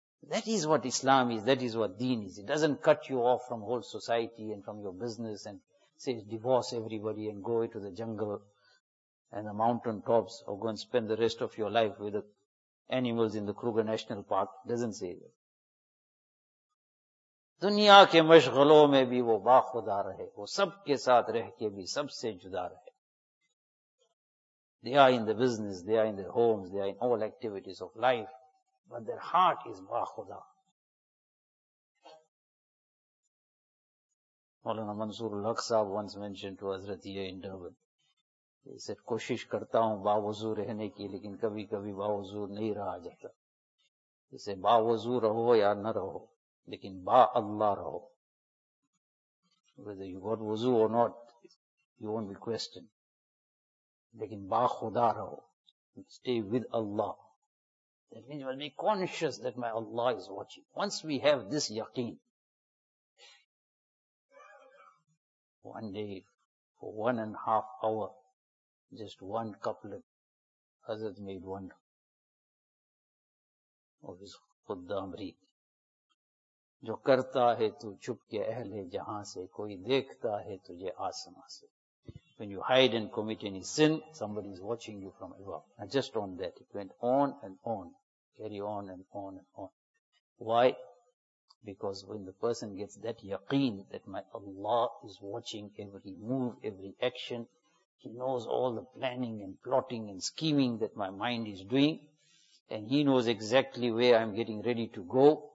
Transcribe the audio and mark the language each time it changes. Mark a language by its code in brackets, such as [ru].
[en] That is what Islam is. That is what deen is. It doesn't cut you off from whole society and from your business and say divorce everybody and go to the jungle and the mountain tops or go and spend the rest of your life with the animals in the Kruger National Park. It doesn't say that. [ur] دنیا کے مشغلوں میں بھی وہ باخدا رہے وہ سب کے ساتھ رہ کے بھی سب سے جدا رہے. [en] They are in the business, they are in their homes, they are in all activities of life, but their heart is باخدا. Maulana Mansoor ul-Haq Sahib once mentioned to Hazrat یہ in Durban. He said, [ur] کوشش کرتا ہوں باوضو رہنے کی لیکن کبھی کبھی باوضو نہیں رہا جاتا. [en] He said, [ur] باوضو رہو یا نہ رہو لیکن با اللہ رہو. [en] Whether you got wuzu or not, you won't be questioned. [ur] لیکن با خدا رہو. [en] Stay with Allah. That means you must be conscious that my Allah is watching. Once we have this yaqeen, one day, for 1.5 hours, just one couplet, Hazrat made one of his khuddam read. [ur] جو کرتا ہے تو چھپ کے اہل جہاں سے کوئی دیکھتا ہے تجھے آسمان سے. [en] When you hide and commit any sin, somebody is watching you from above. And just on that, it went on and on. Carry on and on and on. Why? Because when the person gets that yaqeen that my Allah is watching every move, every action, he knows all the planning and plotting and scheming that my mind is doing, and he knows exactly where I'm getting ready to go.